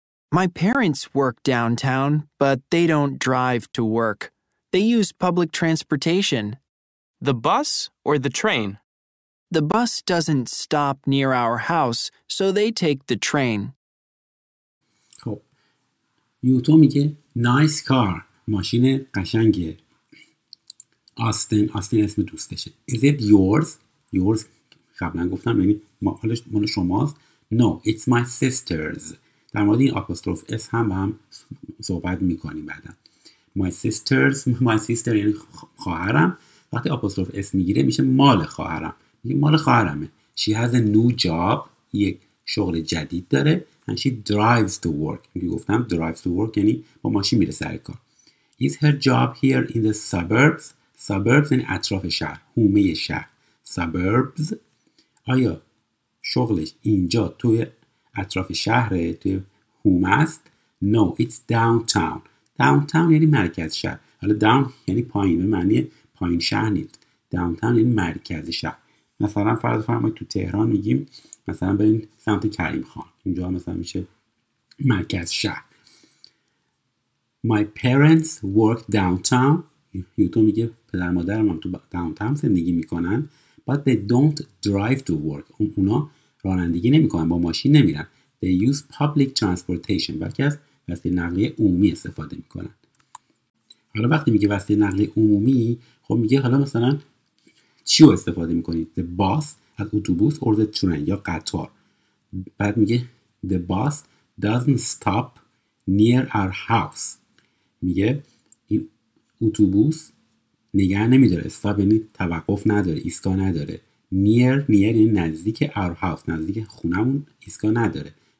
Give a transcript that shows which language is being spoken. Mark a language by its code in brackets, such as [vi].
[en] My parents work downtown, but they don't drive to work. They use public transportation. The bus or the train? The bus doesn't stop near our house, so they take the train. [fa] خب. یوتو میگه [en] nice car. [fa] ماشین قشنگه. Austin اسم دوستشه. [en] Is it yours? [fa] قبلا گفتم یعنی مال شماست. [en] No, it's my sister's. [fa] در مورد این آپوستروف اس هم با هم صحبت میکنیم بعدا. [en] My sister's, my sister [fa] یعنی خواهرم. وقتی آپوستروف اس میگیره میشه مال خواهرم. میگه مال خواهرمه. [en] She has a new job. [fa] یک شغل جدید داره. [en] And she drives to work. [fa] میگه گفتم [en] drives to work [fa] یعنی با ماشین میره سر کار. [en] Is her job here in the suburbs? [fa] Suburbs یعنی اطراف شهر. حومه شهر. Suburbs. آیا شغلش اینجا توی اطراف شهره توی هوم است؟ [en] No, it's downtown. [fa] Downtown یعنی مرکز شهر. حالا down یعنی پایین به معنی پایین شهر نیست. Downtown یعنی مرکز شهر. مثلا فرض فرمایید تو تهران میگیم مثلا برید سمت کریم خان. اینجا مثلا میشه مرکز شهر. [en] My parents work downtown. [fa] یوتو میگه پدر مادرم هم تو downtown زندگی میکنن. [en] But they don't drive to work. [fa] اونا رانندگی نمی کنن. با ماشین نمی رن. [en] They use public transportation. [fa] بلکه از وسیله نقلیه عمومی استفاده می کنن. حالا وقتی میگه وسیله نقلیه عمومی خب میگه حالا مثلا چی رو استفاده می کنید؟ The bus از اتوبوس [en] or the train [fa] یا قطار. بعد میگه [en] The bus doesn't stop near our house. [fa] میگه این اتوبوس نگه نمیداره. استاب یعنی توقف نداره. ایستگاه نداره. [en] Near [fa] یعنی نزدیک [en] our house. [fa] نزدیک خونمون ایستگاه نداره.